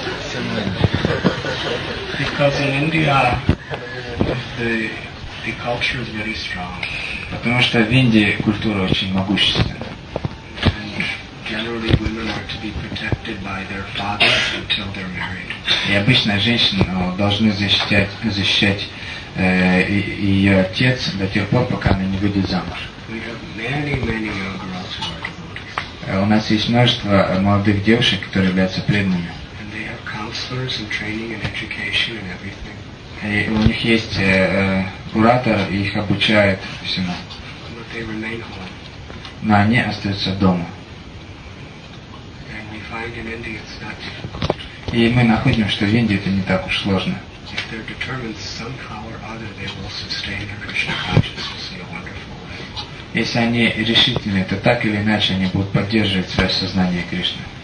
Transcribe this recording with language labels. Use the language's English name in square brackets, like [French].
[English] Because in India, the culture is very strong. [Russian] Потому что в Индии культура очень могущественная. [English] And generally, women are to be protected by their fathers until they're married. [Russian] И обычно женщину должны защищать ее отец до тех пор, пока она не выйдет замуж. [English] We have many young girls who are. [Russian] У нас есть множество молодых девушек, которые являются преданными. [English] And they have counselors and training and education and everything. [Russian] И у них есть куратор, и их обучают всему. [English] But they remain home. [Russian] Но они остаются дома. [English] And we find in India it's not difficult. [Russian] И мы находим, что в Индии это не так уж сложно. [English] If they're determined somehow or other, they will sustain their Krishna consciousness in a wonderful way. [Russian] Если они решительны, то так или иначе они будут поддерживать свое сознание Кришны.